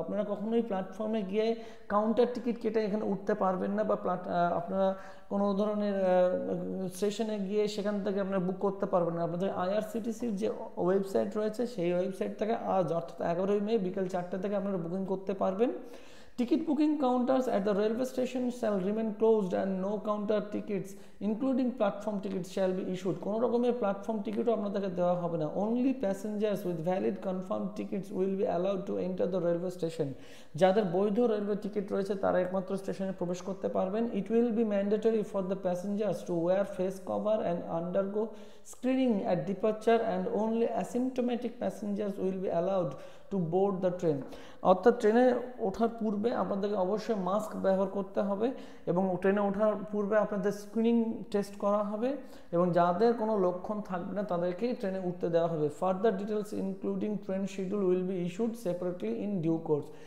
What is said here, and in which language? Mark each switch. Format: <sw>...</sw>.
<bn>আপনারা কখনোই প্ল্যাটফর্মে গিয়ে কাউন্টার টিকিট কেটে এখানে উঠতে পারবেন না, বা আপনারা কোনো ধরনের স্টেশনে গিয়ে সেখান থেকে আপনারা বুক করতে পারবেন না। আপনাদের IRCTC-র যে ওয়েবসাইট রয়েছে সেই ওয়েবসাইট থেকে আজ অর্থাৎ 11 মে বিকেল 4টা থেকে আপনারা বুকিং করতে পারবেন।</bn> <en>Ticket booking counters at the railway station shall remain closed and no counter tickets including platform tickets shall be issued.</en> <bn>কোনো রকমের প্ল্যাটফর্ম টিকিটও আপনাদেরকে দেওয়া হবে না।</bn> <en>Only passengers with valid confirmed tickets will be allowed to enter the railway station.</en> <bn>যাদের বৈধ railway ticket রয়েছে তারা একমাত্র স্টেশনে প্রবেশ করতে পারবেন।</bn> <en>It will be mandatory for the passengers to wear face cover and undergo screening at departure and only asymptomatic passengers will be allowed to board the train.</en> <bn>অর্থাৎ ট্রেনে ওঠার পূর্বে আপনাদেরকে অবশ্যই মাস্ক ব্যবহার করতে হবে, এবং ট্রেনে ওঠার পূর্বে আপনাদের স্ক্রিনিং টেস্ট করা হবে, এবং যাদের কোনো লক্ষণ থাকবে না তাদেরকেই ট্রেনে উঠতে দেওয়া হবে।</bn> <en>Further details including train schedule will be issued separately in due course.</en>